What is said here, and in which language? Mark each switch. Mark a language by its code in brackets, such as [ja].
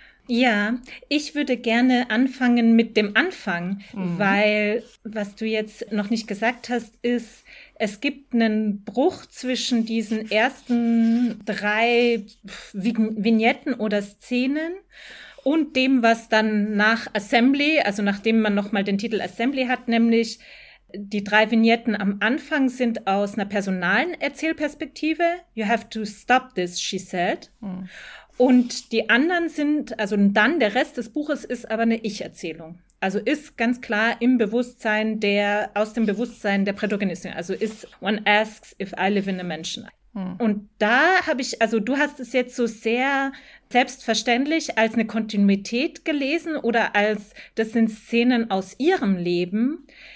[de] Ja, ich würde gerne anfangen mit dem Anfang, weil was du jetzt noch nicht gesagt hast, ist, es gibt einen Bruch zwischen diesen ersten drei Vignetten oder Szenen und dem, was dann nach Assembly, also nachdem man nochmal den Titel Assembly hat, nämlich die drei Vignetten am Anfang sind aus einer personalen Erzählperspektive. [en] You have to stop this, she said. [de] Und die anderen sind, also dann der Rest des Buches ist aber eine Ich-Erzählung. Also ist ganz klar im Bewusstsein der, aus dem Bewusstsein der Protagonistin. Also ist One Asks If I Live in a Mansion. Und da habe ich, also du hast es jetzt so sehr selbstverständlich als eine Kontinuität gelesen oder als, das sind Szenen aus ihrem Leben.